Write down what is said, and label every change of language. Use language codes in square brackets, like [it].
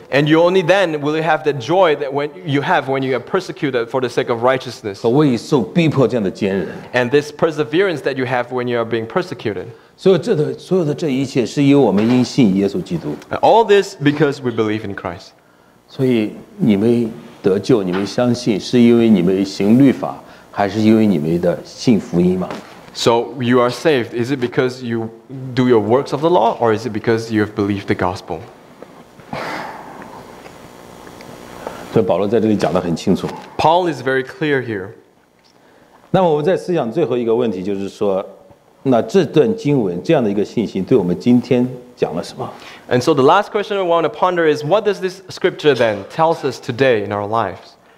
[en] And you only then will you have the joy that when you have when you are persecuted for the sake of righteousness. [zh] 和为义受逼迫这样的坚韧。 [en] And this perseverance that you have when you are being persecuted. [zh] 所有的这一切是因为我们因信耶稣基督。 [en] All this because we believe in Christ. [zh] 所以你们得救，你们相信，是因为你们行律法，还是因为你们的信福音吗？ [en] So you are saved. Is it because you do your works of the law, or is it because you have believed the gospel? [zh] So Paul 在这里讲得很清楚。 [en] Paul is very clear here. [zh] 那么我们在思想最后一个问题就是说，那这段经文这样的一个信心对我们今天讲了什么？ [en] And so the last question I want to ponder is, what does this scripture then tells us today in our lives?